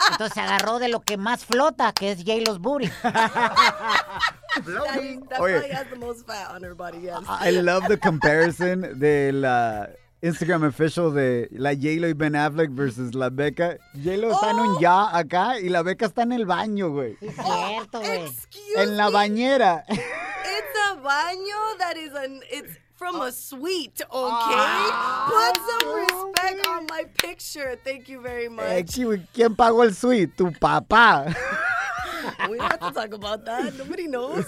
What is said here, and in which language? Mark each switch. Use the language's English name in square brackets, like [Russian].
[Spanish] Entonces se agarró de lo que más flota, que es J-Lo's booty. [English] That probably has the most fat on her body, yes. I love the comparison de la Instagram official de la J-Lo y Ben Affleck versus la Becca. [Spanish] J-Lo está en un ya acá y la Becca está en el baño, güey. Es cierto, güey. En la bañera. [English] It's a baño that is from a suite, okay? Put some respect on my picture. Thank you very much. [Spanish] ¿Quién pagó el suite? Tu papá. [English] We don't have to talk about that. Nobody knows.